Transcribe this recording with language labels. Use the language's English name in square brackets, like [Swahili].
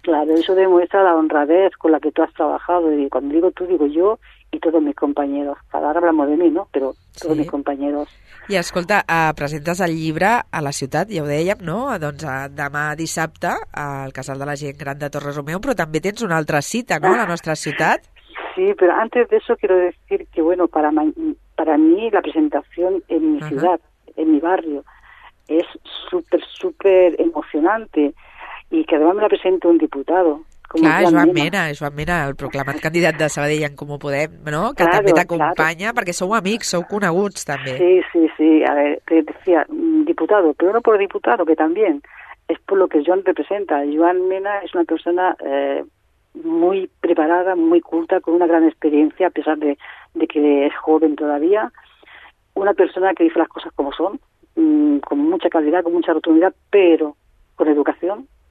[Spanish] Claro, eso demuestra la honradez con la que tú has trabajado, y cuando digo tú, digo yo y todos mis compañeros. Ahora hablamos de mí, ¿no? Pero todos mis compañeros. [Catalan] I escolta, presentes el llibre a la ciutat, ja ho dèiem, no? Doncs demà dissabte al Casal de la Gent Gran de Torre Romeu, però també tens una altra cita, no?, a la nostra ciutat. [Spanish] Sí, pero antes de eso quiero decir que, bueno, para mí la presentación en mi ciudad, en mi barrio, es súper, súper emocionante y que además me la presente un diputado. [Catalan] Clar, Joan Mena, el proclamat candidat de Sabadell en Comú Podem, no? Que claro, també t'acompanya, claro. Perquè sou amics, sou coneguts també. Sí, sí, sí. [Spanish] A ver, te decía, diputado, pero no por diputado, que también es por lo que Joan representa. Joan Mena es una persona muy preparada, muy culta, con una gran experiencia, a pesar de que es joven todavía. Una persona que dice las cosas como son, con mucha calidad, con mucha rotundidad, pero con educación.